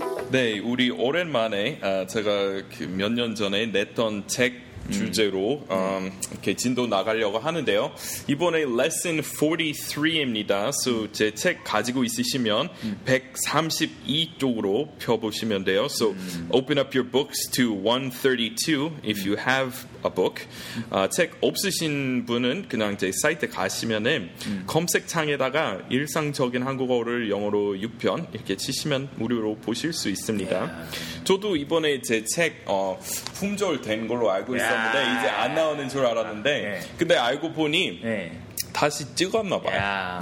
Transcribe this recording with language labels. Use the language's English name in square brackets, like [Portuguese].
[Korean] 네, 우리 오랜만에 제가 그 몇 년 전에 냈던 책 주제로 이렇게 진도 나가려고 하는데요. 이번에 lesson 43입니다. So 제 책 가지고 있으시면 132쪽으로 펴보시면 돼요. [English] So open up your books to 132 if you have a book. [Korean] 책 없으신 분은 그냥 제 사이트 가시면은 검색창에다가 일상적인 한국어를 영어로 6편 이렇게 치시면 무료로 보실 수 있습니다. [English] Yeah. [Korean] 저도 이번에 제 책 품절된 걸로 알고 있어요. 근데 이제 안 나오는 줄 알았는데 근데 알고 보니 다시 찍었나 봐요.